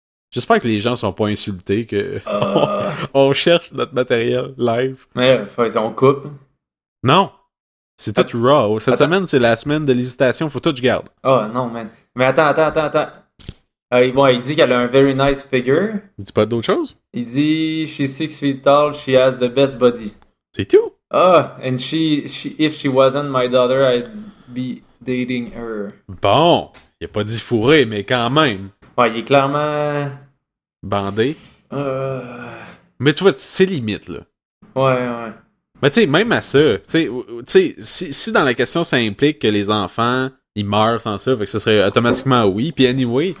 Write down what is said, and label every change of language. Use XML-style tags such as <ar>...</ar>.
<fr>J'espère que les gens sont pas insultés, que on cherche notre matériel live. Mais on coupe. Non. C'est tout raw. Cette semaine, c'est la semaine de l'hésitation. Faut tout que je garde. Oh non, man. Mais attends. Il dit qu'elle a un</fr> <en>very nice figure.</en> <fr>Il dit pas d'autre chose? Il dit,</fr> <en>she's 6 feet tall, she has the best body.</en> <fr>C'est tout?</fr> <en>Oh, and she if she wasn't my daughter, I'd be dating her.</en> <fr>Bon. Il a pas dit fourré, mais quand même. Ouais, il est clairement... Bandé. Mais tu vois, c'est limite, là. Ouais. Mais tu sais, même à ça, tu sais, si dans la question, ça implique que les enfants, ils meurent sans ça, fait que ce serait automatiquement oui, puis anyway,</fr>